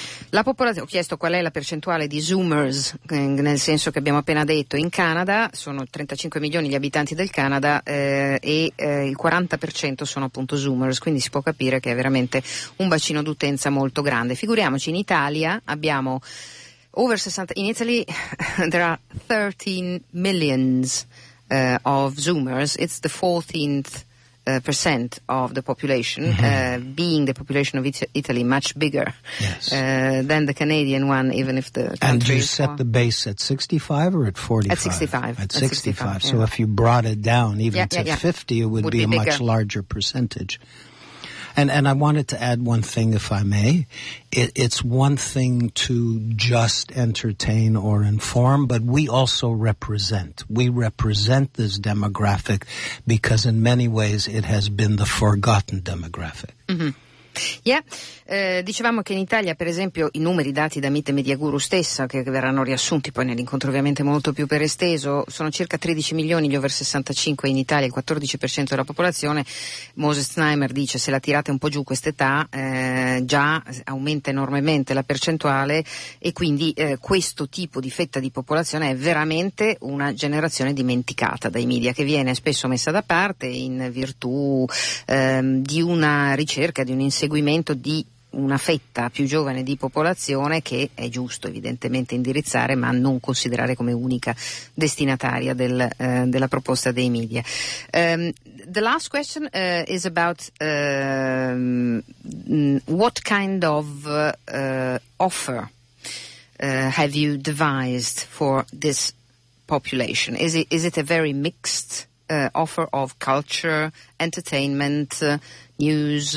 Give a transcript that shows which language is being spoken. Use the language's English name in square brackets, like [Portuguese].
[Italian] La popolazione, ho chiesto qual è la percentuale di Zoomers, nel senso che abbiamo appena detto, in Canada sono 35 milioni gli abitanti del Canada e il 40% sono appunto Zoomers, quindi si può capire che è veramente un bacino d'utenza molto grande. Figuriamoci, in Italia abbiamo over 60, [English] in Italy there are 13 millions of Zoomers, it's the 14th percent of the population, being the population of Italy much bigger than the Canadian one, even if the country. And you set the base at 65 or at 45? At 65. At 65. So if you brought it down even to 50, it would be a much larger percentage. And I wanted to add one thing, if I may. It's one thing to just entertain or inform, but we also represent. We represent this demographic because in many ways it has been the forgotten demographic. Mm-hmm. Yeah. [Italian] Dicevamo che in Italia, per esempio, i numeri dati da Meet Media Guru stessa, che verranno riassunti poi nell'incontro ovviamente molto più per esteso, sono circa 13 milioni gli over 65 in Italia, il 14% della popolazione. Moses Snymer dice se la tirate un po' giù quest'età già aumenta enormemente la percentuale, e quindi questo tipo di fetta di popolazione è veramente una generazione dimenticata dai media, che viene spesso messa da parte in virtù di una ricerca, di un inseguimento di una fetta più giovane di popolazione che è giusto evidentemente indirizzare ma non considerare come unica destinataria della proposta dei media. [English] The last question is about what kind of offer have you devised for this population? Is it a very mixed offer of culture, entertainment, news?